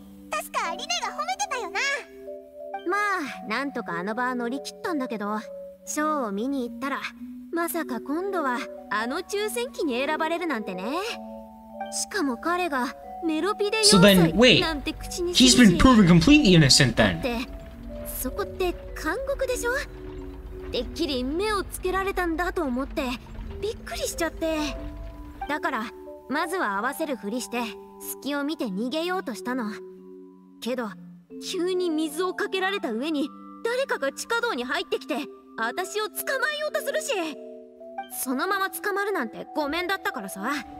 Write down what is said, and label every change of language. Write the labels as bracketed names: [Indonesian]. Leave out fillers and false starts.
[Japanese] 確かリネが褒めてたよな。まあなんとかあの場は乗り切ったんだけど、ショーを見に行ったら、まさか今度はあの抽選機に選ばれるなんてね。しかも彼が [English] So then, wait, he's been proven completely innocent then. [Japanese] そこって監獄でしょ？てっきり目をつけられたんだと思ってびっくりしちゃって。だからまずは合わせるふりして隙を見て逃げようとしたの。けど急に水をかけられた上に誰かが地下道に入ってきて私を捕まえようとするし、そのまま捕まるなんてごめんだったからさ。